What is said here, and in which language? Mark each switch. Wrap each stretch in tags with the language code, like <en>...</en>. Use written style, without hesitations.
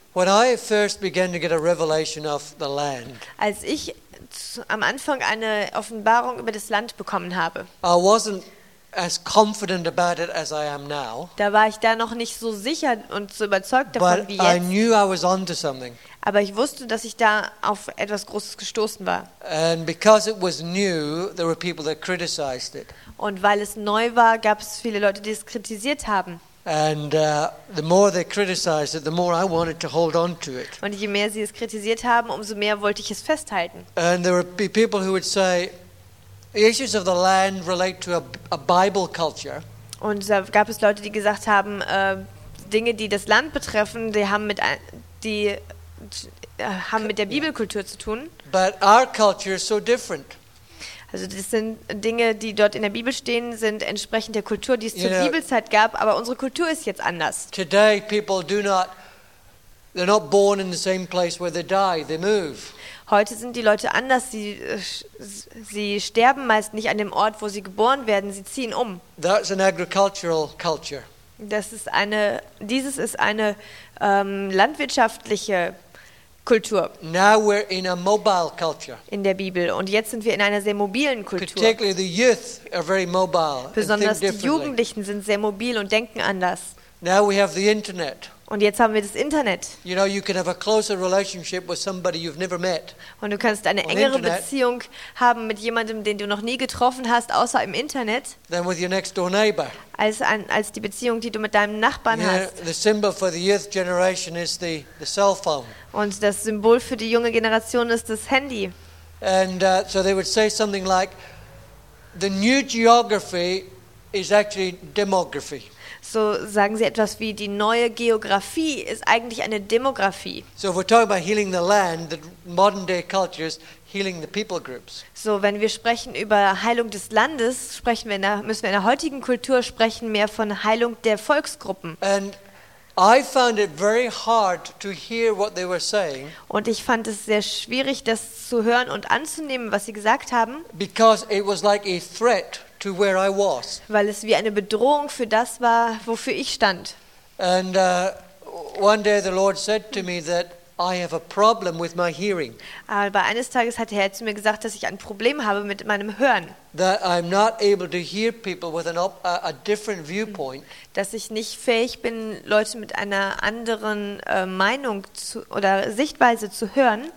<en>When I first began to get a revelation of the land,</en> <de>als ich am Anfang eine Offenbarung über das Land bekommen habe,</de> <en>I wasn't as confident about it as I am now.</en> <de>Da war ich da noch nicht so sicher und so überzeugt davon</de> <en>but</en> <de>wie jetzt.</de> <en>I knew I was onto something.</en> <de>Aber ich wusste, dass ich da auf etwas Großes gestoßen war.</de> <en>And because it was new, there were people that criticized it.</en> <de>Und weil es neu war, gab es viele Leute, die es kritisiert haben.</de> <en>And the more they criticized it, the more I wanted to hold on to it.</en> <de>Und je mehr sie es kritisiert haben, umso mehr wollte ich es festhalten.</de> <en>And there would be people who would say, the issues of the land relate to a Bible culture.</en> <de>Und da gab es Leute, die gesagt haben, Dinge, die das Land betreffen, die haben mit der Bibelkultur zu tun.</de> <en>But our culture is so different.</en> <de>Also das sind Dinge, die dort in der Bibel stehen, sind entsprechend der Kultur, die es zur Bibelzeit gab, aber unsere Kultur ist jetzt anders.</de> <en>Today people do not, they're not born in the same place where they die, they move.</en> <de>Heute sind die Leute anders, sie sterben meist nicht an dem Ort, wo sie geboren werden, sie ziehen um.</de> <en>That's an agricultural culture.</en> <de>Dieses ist eine landwirtschaftliche Kultur.</de> <en>Now we're in a mobile culture.</en> <de>In der Bibel. Und jetzt sind wir in einer sehr mobilen Kultur.</de> <en>Particularly the youth are very mobile.</en> <de>Besonders die Jugendlichen sind sehr mobil und denken anders.</de> <en>Now we have the internet.</en> <de>Und jetzt haben wir das Internet.</de> <en>You know, you can have a closer relationship with somebody you've never met.</en> <de>Und du kannst eine engere Beziehung haben mit jemandem, den du noch nie getroffen hast, außer im Internet.</de> <en>Than with your next door neighbor.</en> <de>Als die Beziehung, die du mit deinem Nachbarn hast.</de> <en>The symbol for the youth generation is the cell phone.</en> <de>Und das Symbol für die junge Generation ist das Handy.</de> <en>And so they would say something like, the new geography is actually demography.</en> <de>So sagen sie etwas wie, die neue Geografie ist eigentlich eine Demografie.</de> <en>So we're talking about healing the land, the modern day culture is healing the people groups.</en> <de>So wenn wir sprechen über Heilung des Landes, müssen wir in der heutigen Kultur sprechen mehr von Heilung der Volksgruppen.</de> <en>And I found it very hard to hear what they were saying.</en> <de>Und ich fand es sehr schwierig, das zu hören und anzunehmen, was sie gesagt haben.</de> <en>Because it was like a threat to where I was.</en> <de>Weil es wie eine Bedrohung für das war, wofür ich stand.</de> <en>And one day the Lord said to me that I have a problem with my hearing.</en> <de>Aber eines Tages hat der Herr zu mir gesagt, dass ich ein Problem habe mit meinem Hören.</de> <en>That I'm not able to hear people with a different viewpoint.</en> <de>Dass ich nicht fähig bin, Leute mit einer anderen Meinung zu, oder Sichtweise zu hören.</de>